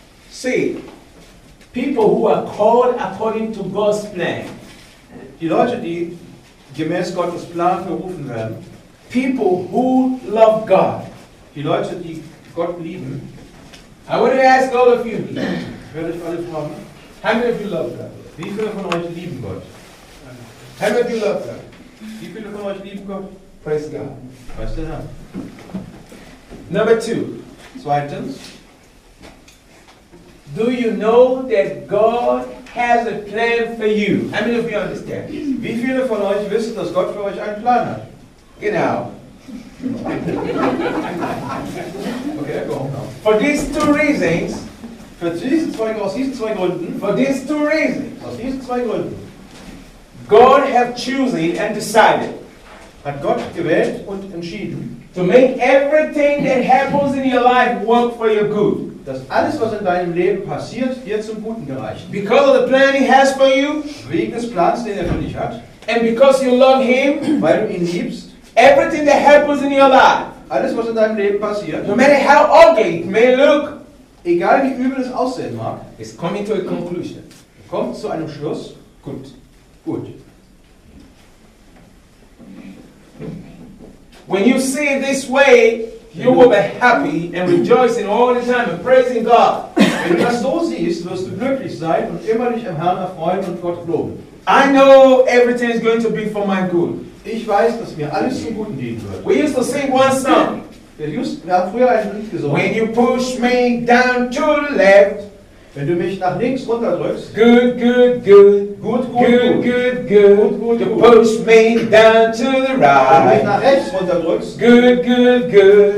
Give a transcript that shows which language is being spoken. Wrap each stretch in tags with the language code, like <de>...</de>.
<en>See, people who are called according to God's plan.</en> <de>Die Leute, die gemäß Gottes Plan berufen werden,</de> <en>people who love God.</en> <de>Die Leute, die Gott lieben.</de> <en>I want to ask all of you.</en> <de>Ich werde euch alle fragen.</de> <en>How many of you love God?</en> <de>Wie viele von euch lieben Gott?</de> <en>How many of you love God?</en> <de>Wie viele von euch lieben Gott?</de> <en>Praise God. Praise the Lord. Number two.</en> <de>Zweitens.</de> <en>Do you know that God has a plan for you? How many of you understand?</en> <de>Wie viele von euch wissen, dass Gott für euch einen Plan hat? Genau.</de> <en>Okay, go on now. For these two reasons,</en> <de>für diese zwei, aus diesen zwei Gründen,</de> <en>for these two reasons,</en> <de>aus diesen zwei Gründen,</de> <en>God have chosen and decided,</en> <de>hat Gott gewählt und entschieden,</de> <en>to make everything that happens in your life work for your good.</en> <de>Dass alles, was in deinem Leben passiert, dir zum Guten gereicht.</de> <en>Because of the plan he has for you,</en> <de>wegen des Plans, den er für dich hat.</de> <en>And because you love him,</en> <de>weil du ihn liebst,</de> <en>everything that happens in your life,</en> <de>alles was in deinem Leben passiert,</de> <en>no matter how ugly it may look,</en> <de>egal wie übel es aussehen mag,</de> <en>is coming to a conclusion.</en> <de>Kommt zu einem Schluss. Gut. Gut.</de> <en>When you see it this way, you will be happy and rejoicing all the time and praising God.</en> <de>Wenn du das so siehst, wirst du glücklich sein und immer dich im Herrn erfreuen und Gott loben.</de> <en>I know everything is going to be for my good.</en> <de>Ich weiß, dass mir alles zum Guten dienen wird.</de> <en>We used to sing one song.</en> <de>Wir haben früher ein Lied gesungen.</de> <en>When you push me down to the left.</en> <de>Wenn du mich nach links runterdrückst.</de> <en>Good, good, good.</en> <de>Gut, gut,</de> <en>good,</en> <de>gut.</de> <en>Good, good,</en> <de>gut, gut,</de> <en>you</en> <de>gut.</de> <en>Push me down to the right.</en> <de>Wenn du mich nach rechts runterdrückst.</de> <en>Good, good, good.</en>